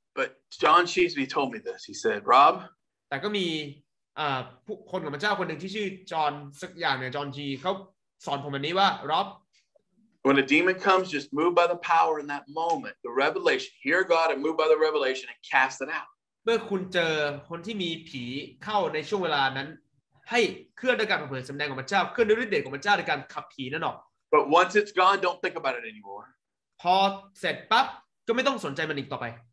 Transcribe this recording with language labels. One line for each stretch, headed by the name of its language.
English: But John Cheesby told me this. He said, Rob.
Thai: แต่ก็มีผู้คนของพระเจ้าคนหนึ่งที่ชื่อจอห์นสักอย่างเนี่ยจอห์นจีเขาสอนผมวันนี้ว่ารับ
English: When a demon comes, just move by the power in that moment, the revelation. Hear God and move by the revelation and cast it out.
Thai: เมื่อคุณเจอคนที่มีผีเข้าในช่วงเวลานั้นให้เคลื่อนด้วยการเผยสำแดงของพระเจ้าเคลื่อนด้วยฤทธิ์เดชของพระเจ้าในการขับผีนั่นออก
English: But once it's gone, don't think about it anymore.
Thai: พอเสร็จปั๊บก็ไม่ต้องสนใจมันอีกต่อไป